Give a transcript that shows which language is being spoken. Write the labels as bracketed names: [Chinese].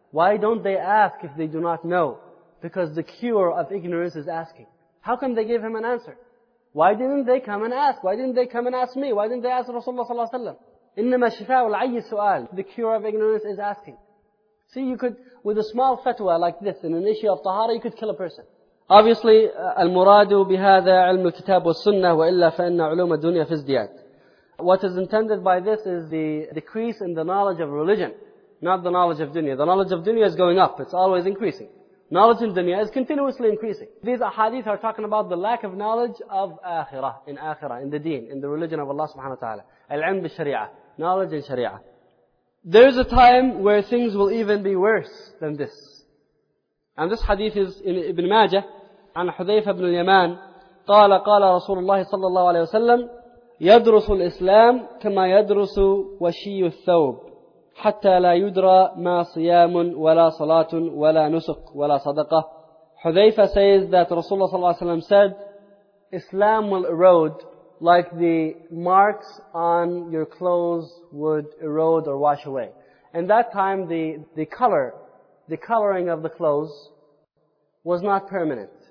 [English] Why don't they ask if they do not know? Because the cure of ignorance is asking. How come they gave him an answer? Why didn't they come and ask? Why didn't they come and ask me? Why didn't they ask Rasulullah sallallahu alaihi wasallam? [Arabic] إِنَّمَا شِفَاءُ الْعَيِّ سُؤَالٍ. [English] The cure of ignorance is asking. See, you could, with a small fatwa like this, in an issue of tahara, you could kill a person. Obviously, [Arabic] المراد بهذا علم الكتاب والسنة وإلا فإن علوم الدنيا في ازدياد. [English] What is intended by this is the decrease in the knowledge of religion, not the knowledge of dunya. The knowledge of dunya is going up, it's always increasing. Knowledge in dunya is continuously increasing. These ahadith are talking about the lack of knowledge of akhirah, in the deen, in the religion of Allah subhanahu wa ta'ala. [Arabic] العلم بالشريعة, [English] knowledge in sharia. There is a time where things will even be worse than this. And this hadith is in Ibn Majah, [Arabic] عن حذيفة بن اليمان, قال قال رسول الله صلى الله عليه وسلم, يدرس الإسلام كما يدرس وشي الثوب, حتى لا يدرى ما صيام ولا صلاة ولا نسك ولا صدقة. [English] حذيفة says that Rasulullah صلى الله عليه وسلم said, Islam will erode like the marks on your clothes would erode or wash away. In that time, the coloring of the clothes was not permanent.